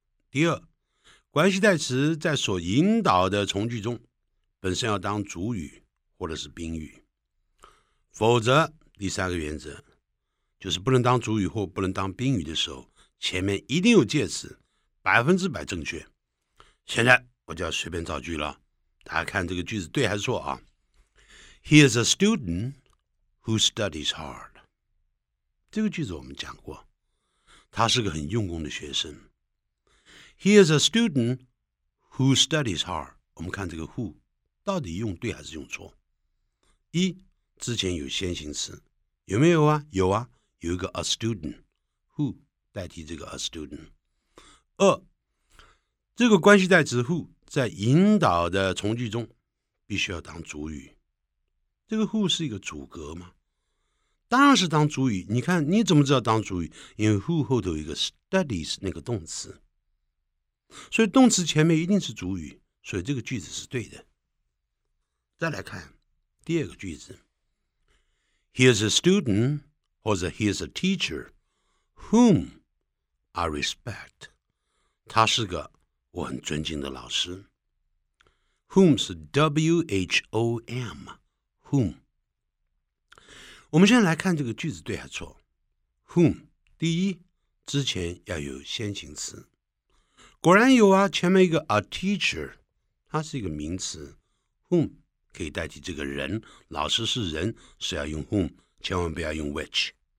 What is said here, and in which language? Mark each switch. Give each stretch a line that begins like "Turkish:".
Chinese: 第二，关系代词在所引导的从句中本身要当主语或者是宾语，否则第三个原则就是不能当主语或不能当宾语的时候，前面一定有介词，百分之百正确。现在我就要随便造句了，大家看这个句子对还是错啊。
English: He is a student who studies hard，
Chinese: 这个句子我们讲过，他是个很用功的学生。
English: He is a student who studies hard。
Chinese: 我们看这个 who 到底用对还是用错。一，之前有先行词，有没有啊？有啊，有一个 a student， who 代替这个 a student。二，这个关系代词 who 在引导的从句中必须要当主语，这个 who 是一个主格吗？当然是当主语。你看你怎么知道当主语？因为 who 后头有一个 studies 那个动词，所以动词前面一定是主语，所以这个句子是对的。再来看第二个句子，
English: He is a student
Chinese: 或者
English: He is a teacher whom I respect，
Chinese: 他是个我很尊敬的老师。 Whom 是 W-H-O-M， whom。我们现在来看这个句子对还错。Whom 第一，之前要有先行词，果然有啊，前面一个 a teacher， 它是一个名词， whom 可以代替这个人，老师是人，是要用 whom， 千万不要用 which。